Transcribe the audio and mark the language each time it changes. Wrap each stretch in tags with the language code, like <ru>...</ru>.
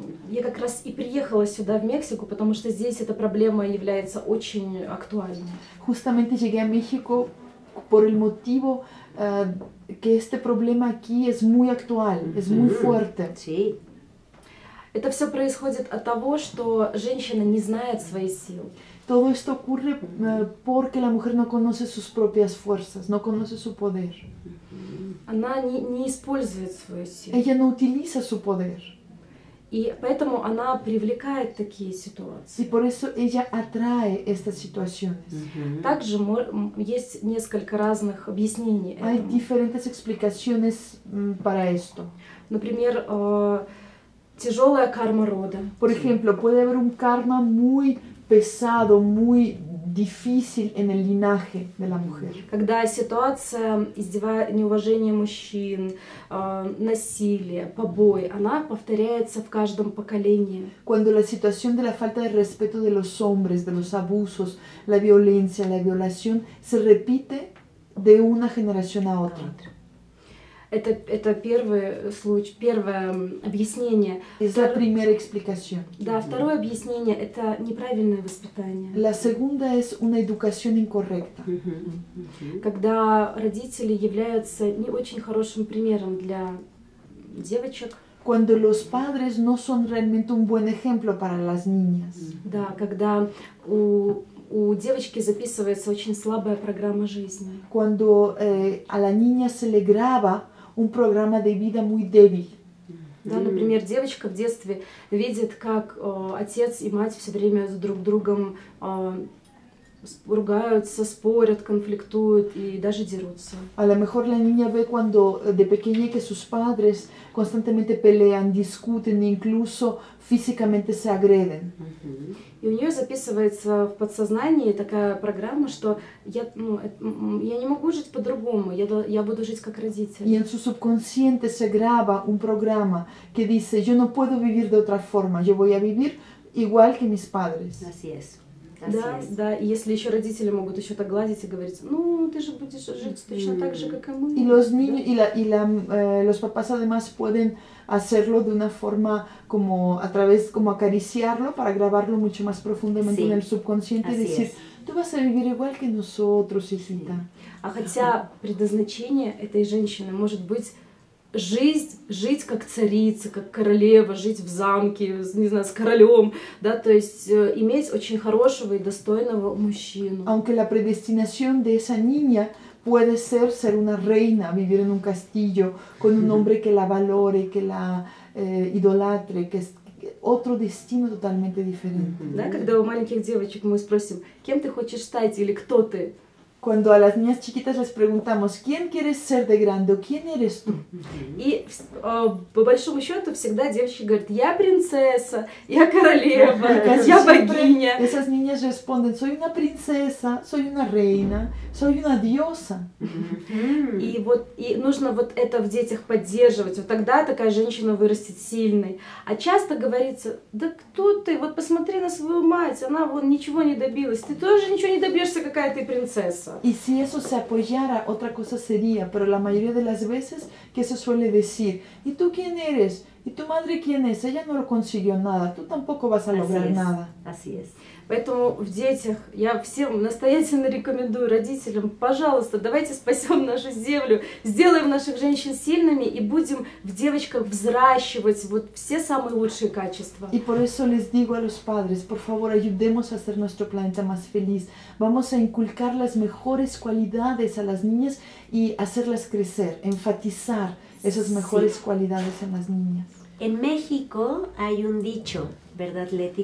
<ru>Я как раз и приехала сюда, в Мексику, потому что здесь эта проблема является очень актуальной.</ru> <es>Justamente llegué a México por el motivo que este problema aquí es muy actual, es muy fuerte. Sí.</es> <ru>Это все происходит от того, что женщина не знает свои силы.</ru> <es>Todo esto ocurre porque la mujer no conoce sus propias fuerzas, no conoce su poder.</es> <ru>Она не использует свою силу.</ru> <es>Ella no utiliza su poder.</es> <ru>И поэтому она привлекает такие ситуации.</ru> <es>Y por eso ella atrae estas situaciones. Uh-huh.</es> <ru>Также есть несколько разных объяснений этому.</ru> <es>Hay diferentes explicaciones para esto.</es> <ru>Например, тяжелая карма рода.</ru> <es>Por ejemplo, puede haber un karma muy pesado, muy difícil en el linaje de la mujer.</es> <ru>Когда ситуация неуважения мужчин, насилие, побои, она повторяется в каждом поколении.</ru> <es>Cuando la situación de la falta de respeto de los hombres, de los abusos, la violencia, la violación se repite de una generación a otra.</es> <ru>Это первый случай, первое объяснение.</ru> <es>La primera explicación.</es> <ru>Да, второе объяснение – это неправильное воспитание.</ru> <es>La segunda es una educación incorrecta.</es> <ru>Когда родители являются не очень хорошим примером для девочек.</ru> <es>Cuando los padres no son realmente un buen ejemplo para las niñas.</es> <ru>Да, когда у девочки записывается очень слабая программа жизни.</ru> <es>Cuando a la niña se le graba un programa de vida muy débil.</es> <ru>Да, например, девочка в детстве видит, как отец и мать все время с друг другом ругаются, спорят, конфликтуют и даже дерутся.</ru> <es>A lo mejor la niña ve cuando de pequeña que sus padres constantemente pelean, discuten, incluso físicamente se agreden.</es> <ru>И у нее записывается в подсознании такая программа, что я не могу жить по-другому, я буду жить как родители.</ru> <es>Y en su subconsciente se graba un programa que dice, yo no puedo vivir de otra forma, yo voy a vivir igual que mis padres. Así es.</es> <ru>Да, да, и если еще родители могут еще так гладить и говорить, ну, ты же будешь жить точно так же, как и мы.</ru> <es>И los niños,</es> <ru>да?</ru> <es>Los papás además pueden hacerlo de una forma como a través como acariciarlo para grabarlo mucho más profundamente, sí, en el subconsciente y decir, es. Tú vas a vivir igual que nosotros, hijita. Sí.</es> <ru>А хотя предназначение этой женщины может быть жить как царица, как королева, жить в замке, не знаю, с королем, да, то есть иметь очень хорошего и достойного мужчину.</ru> <es>Aunque la predestinación de esa niña puede ser una reina, vivir en un castillo con un hombre que la valore, que la idolatre, que es otro destino totalmente diferente.</es> <ru>Да, когда у маленьких девочек мы спросим, кем ты хочешь стать или кто ты?</ru> <es>Cuando a las niñas chiquitas les preguntamos quién quieres ser de grande, ¿quién eres tú?</es> <ru>Y по большому счету всегда девочки говорят: "Я принцесса, я королева, я богиня".</ru> <es>Esas niñas responden: "Soy una princesa, soy una reina, soy una diosa".</es> <ru>Y вот и нужно вот это в детях поддерживать. Вот тогда такая женщина вырастет сильной. А часто говорится: "Да кто ты? Вот посмотри на свою мать, она вон ничего не добилась. Ты тоже ничего не добьешься, какая ты принцесса".</ru> <es>Y si eso se apoyara, otra cosa sería, pero la mayoría de las veces que se suele decir, ¿y tú quién eres? ¿Y tu madre quién es? Ella no lo consiguió nada, tú tampoco vas a lograr nada. Así es.</es> <ru>Поэтому в детях я всем настоятельно рекомендую родителям, пожалуйста, давайте спасем нашу землю, сделаем наших женщин сильными и будем в девочках взращивать вот все самые лучшие качества.</ru> <es>И por eso les digo a los padres, por favor, ayudemos a hacer nuestro planeta más feliz. Vamos a inculcar las mejores cualidades a las niñas y hacerlas crecer, enfatizar esas mejores cualidades en las niñas. En México hay un dicho, ¿verdad, Leti?</es>